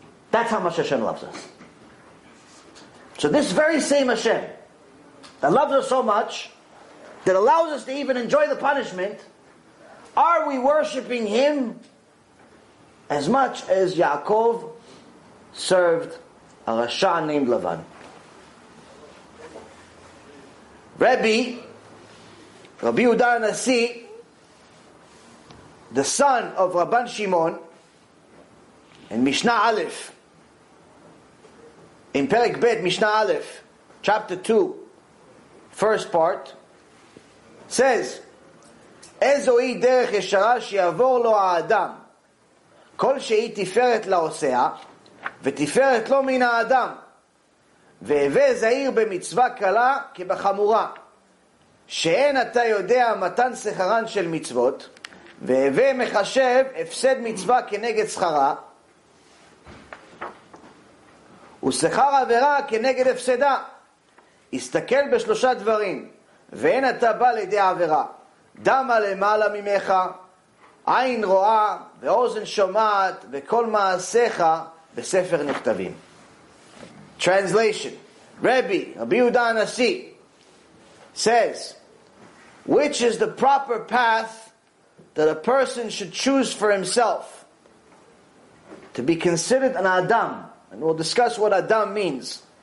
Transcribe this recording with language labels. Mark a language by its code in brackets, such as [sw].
[en] That's how much Hashem loves us. So this very same Hashem that loves us so much, that allows us to even enjoy the punishment, are we worshipping Him as much as Yaakov served a Rasha named Lavan? Rabbi Yehuda Nasi, the son of Rabban Shimon, in Mishnah Aleph, in Perek Bet, Mishnah Aleph, chapter 2, first part, says, [he] Ezoi derech yeshara sheyavor lo ha'adam, kol shei tiferet la'osea, ותפארת לא מן האדם, והווה זהיר במצווה קלה כבחמורה, שאין אתה יודע מתן שכרן של מצוות, והווה מחשב הפסד מצווה כנגד שכרה, ושכר עבירה כנגד הפסדה. הסתכל בשלושה דברים, ואין אתה בא לידי עבירה, דמה למעלה ממך, עין רואה ואוזן שומעת וכל מעשיך, בספר נכתבים. [en] Translation. Rabbi Yehuda Anasi says, which is the proper path that a person should choose for himself to be considered an Adam? And we'll discuss what Adam means.